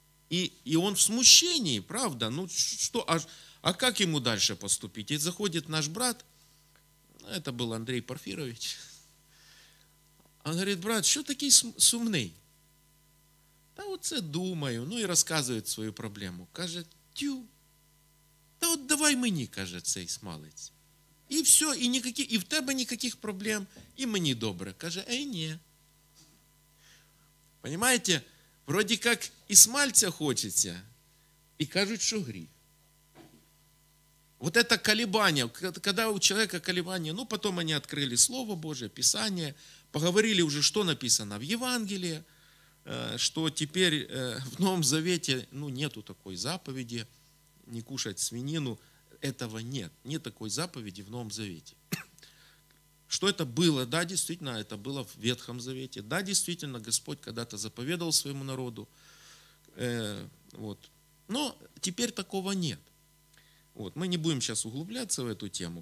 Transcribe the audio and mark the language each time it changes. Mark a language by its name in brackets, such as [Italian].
[Russian] И он в смущении, правда, ну что, а как ему дальше поступить? И заходит наш брат, это был Андрей Порфирович, он говорит, брат, что такой сумный? Да вот это думаю, ну и рассказывает свою проблему. Кажет, тю. [Ukrainian] Та от давай мені, каже цей смалець. І все, і в тебе ніяких проблем, і мені добре. Каже, ей, ні. Понимаєте, вроді як і смальця хочеться, і кажуть, що гріх. [Russian] Вот это [Ukrainian] колебання, коли у чоловіка колебання, ну потім вони відкрили Слово Боже, Писання, поговорили вже, що написано в Євангелії, що тепер в Новому Завіті ну, нету такої заповіді, не кушать свинину, [Russian] этого нет. Нет такой заповеди в Новом Завете. Что это было? Да, действительно, это было в Ветхом Завете. Да, действительно, Господь когда-то заповедовал своему народу. Вот. Но теперь такого нет. Вот. Мы не будем сейчас углубляться в эту тему.